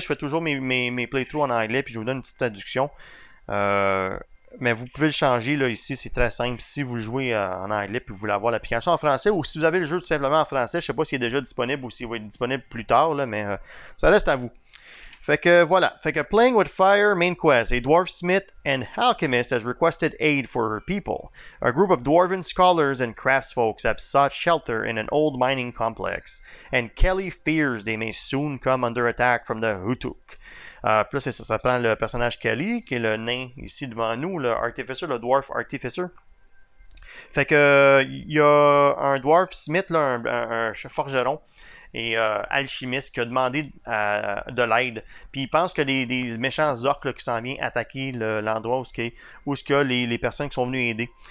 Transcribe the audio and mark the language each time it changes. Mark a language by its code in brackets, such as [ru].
[fr] Je fais toujours mes playthroughs en anglais, puis je vous donne une petite traduction. Mais vous pouvez le changer, là, ici. C'est très simple. Si vous jouez en anglais, puis vous voulez avoir l'application en français, ou si vous avez le jeu tout simplement en français, je sais pas s'il est déjà disponible ou s'il va être disponible plus tard, là, mais ça reste à vous. Fait que, voilà. Fait que, [en] Playing with Fire, main quest. A dwarf smith and alchemist has requested aid for her people. A group of dwarven scholars and craftsfolks have sought shelter in an old mining complex. And Kelly fears they may soon come under attack from the Hutuk. [fr] Plus, c'est ça. Ça prend le personnage Kelly, qui est le nain ici devant nous, le artificer, le dwarf artificer. Fait que, il y a un dwarf smith, là, un forgeron. Et alchimiste qui a demandé de l'aide. Puis il pense que les méchants orques là, qui s'en viennent attaquer l'endroit où les personnes qui sont venues aider.